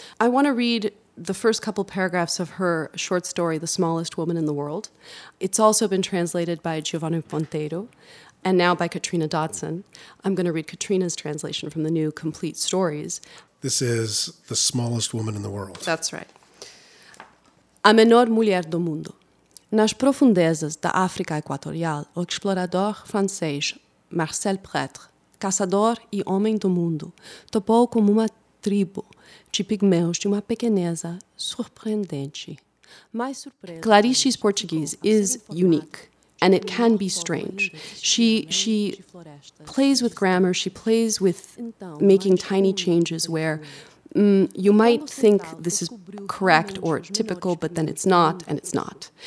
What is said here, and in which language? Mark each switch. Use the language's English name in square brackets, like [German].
[English] I want to read the first couple paragraphs of her short story, The Smallest Woman in the World. It's also been translated by Giovanni Ponteiro. And now by Katrina Dodson. I'm going to read Katrina's translation from the new Complete Stories. This is The Smallest Woman in the World. That's right. [Portuguese] A menor mulher do mundo. Nas profundezas da África Equatorial, o explorador francês Marcel Prêtre, caçador e homem do mundo, topou com uma tribo de pigmeus de uma pequeneza surpreendente. Mais surpresa. [English] Clarice's Portuguese is unique. And it can be strange. She plays with grammar. She plays with making tiny changes where you might think this is correct or typical, but then it's not, and it's not.